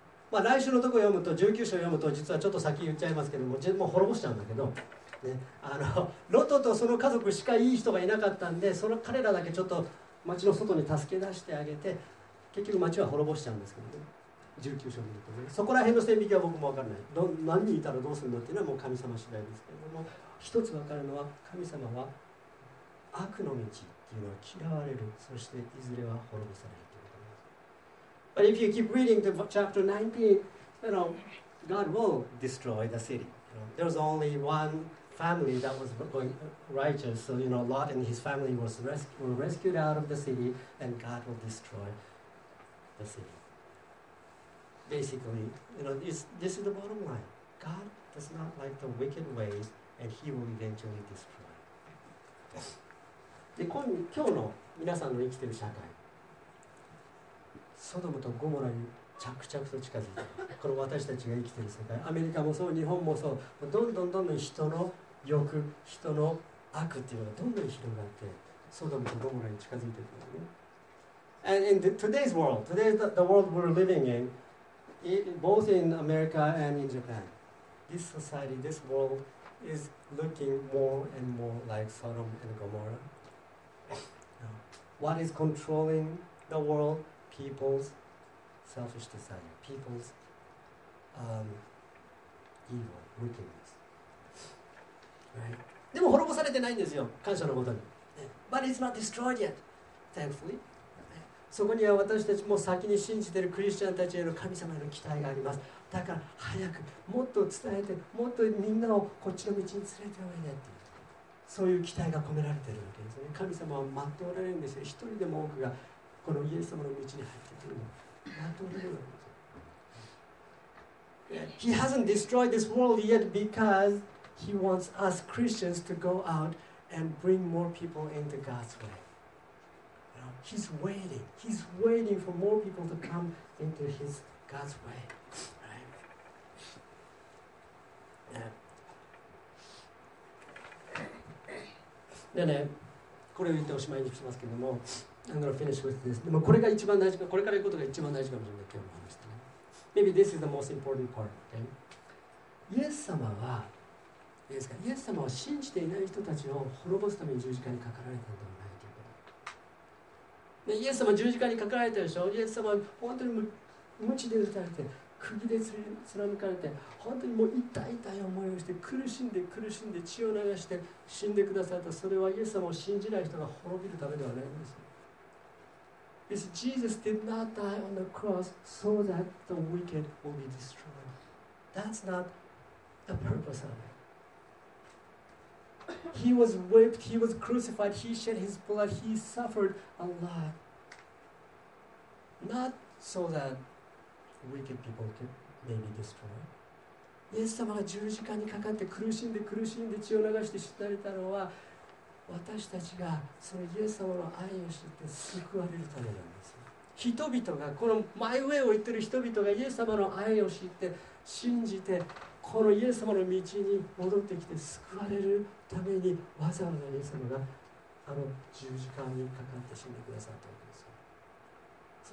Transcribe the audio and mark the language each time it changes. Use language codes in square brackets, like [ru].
[ja] まあ来週のとこ読むと、19章読むと、実はちょっと先言っちゃいますけども、もう滅ぼしちゃうんだけど、ね、あのロトとその家族しかいい人がいなかったんで、その彼らだけちょっと町の外に助け出してあげて、結局町は滅ぼしちゃうんですけどね、19章読むとね。そこら辺の線引きは僕も分からない。何人いたらどうするのっていうのはもう神様次第ですけども、一つ分かるのは、神様は悪の道。 [en] But if you keep reading to chapter 19, you know, God will destroy the city. You know, there was only one family that was going righteous, so you know, Lot and his family were rescued out of the city, and God will destroy the city. Basically, you know, this is the bottom line. God does not like the wicked ways, and he will eventually destroy it. [ja] で今日の皆さんの生きている社会、ソドムとゴモラに着々と近づいてます。この私たちが生きている世界、アメリカもそう、日本もそう、どんどんどんどん人の欲、人の悪っていうのがどんどん広がって、ソドムとゴモラに近づいてるんですね。 [en] And in today's world, today's the world we're living in, both in America and in Japan, this society, this world is looking more and more like Sodom and Gomorrah. What is controlling the world? People's selfish desire, people's evil, wickedness. Right? But it's not destroyed yet, thankfully. [ja] そこには私たちも先に信じているクリスチャンたちへの神様への期待があります。だから早くもっと伝えて、もっとみんなをこっちの道に連れておいでっていう、そういう期待が込められているわけですね。神様は待っておられるんですよ。一人でも多くがこのイエス様の道に入ってくるのを待っておられるわけですよ。 [en] He hasn't destroyed this world yet because he wants us Christians to go out and bring more people into God's way. He's waiting. He's waiting for more people to come into his God's way. [ja] でね、これを言っておしまいにしますけども、 [en] I'm gonna finish with this. [ja] でもこれが一番大事か、これから言うことが一番大事かもしれない。今日の話してね。 [en] Maybe this is the most important part. Okay? [ja] イエス様は、いいですか。イエス様は信じていない人たちを滅ぼすために十字架にかかられたんだ。イエス様十字架にかかられたでしょ。イエス様は本当に鞭で打たれて、釘で貫かれて、本当にもう痛い痛い思いをして苦しんで苦しんで血を流して死んでくださった。それはイエス様を信じない人が滅びるためではないんです。 [en] This Jesus did not die on the cross so that the wicked will be destroyed. That's not the purpose of it. He was whipped, he was crucified, he shed his blood, he suffered a lot. Not so that wicked people could maybe destroy. [ja] イエス様が十字架にかかって苦しんで苦しんで血を流して死なれたのは、私たちがそのイエス様の愛を知って救われるためなんです。人々が、このマイウェイを言ってる人々がイエス様の愛を知って信じて、このイエス様の道に戻ってきて救われるためにわざわざイエス様があの十字架にかかって死んでくださったわけですよ。